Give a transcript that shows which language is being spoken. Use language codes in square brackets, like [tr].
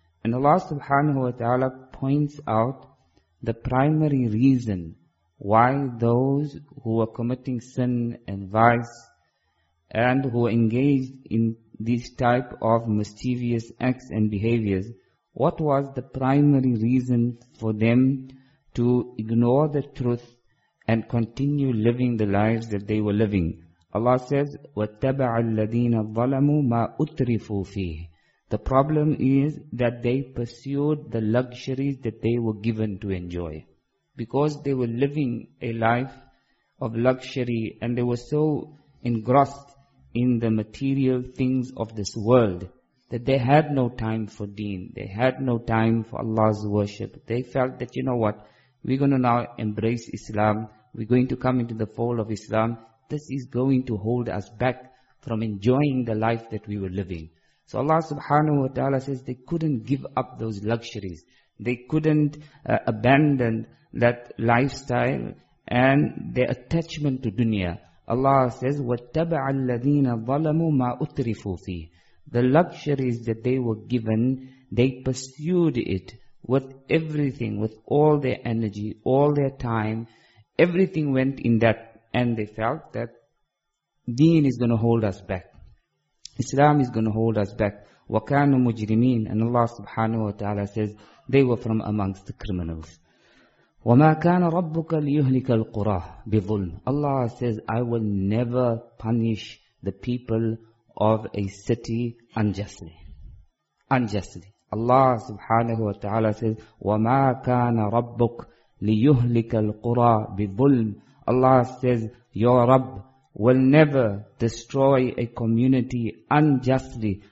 [en] And Allah subhanahu wa ta'ala points out the primary reason why those who were committing sin and vice and who were engaged in this type of mischievous acts and behaviors, what was the primary reason for them to ignore the truth and continue living the lives that they were living? Allah says, [ar] وَاتَّبَعَ الَّذِينَ ظَلَمُوا مَا أُتْرِفُوا فِيهِ. [en] The problem is that they pursued the luxuries that they were given to enjoy. Because they were living a life of luxury and they were so engrossed in the material things of this world, that they had no time for deen, they had no time for Allah's worship. They felt that, you know what, we're going to now embrace Islam, we're going to come into the fold of Islam, this is going to hold us back from enjoying the life that we were living. So Allah subhanahu wa ta'ala says they couldn't give up those luxuries, they couldn't abandon that lifestyle and their attachment to dunya. Allah says, [ar] وَاتَّبَعَ الَّذِينَ ظَلَمُوا مَا أُتْرِفُوا فِيهِ. [en] The luxuries that they were given, they pursued it with everything, with all their energy, all their time. Everything went in that. And they felt that Deen is going to hold us back. Islam is going to hold us back. [ar] وَكَانُوا مُجْرِمِينَ. [en] And Allah subhanahu wa ta'ala says, they were from amongst the criminals. [ar] وَمَا كَانَ رَبُّكَ لِيُهْلِكَ الْقُرَىٰ بِظُلْمِ. [en] Allah says, I will never punish the people of a city unjustly. Unjustly. Allah subhanahu wa ta'ala says, [ar] وَمَا كَانَ رَبُّكَ لِيُهْلِكَ الْقُرَىٰ بِظُلْمِ. [en] Allah says, your Rabb will never destroy a community unjustly.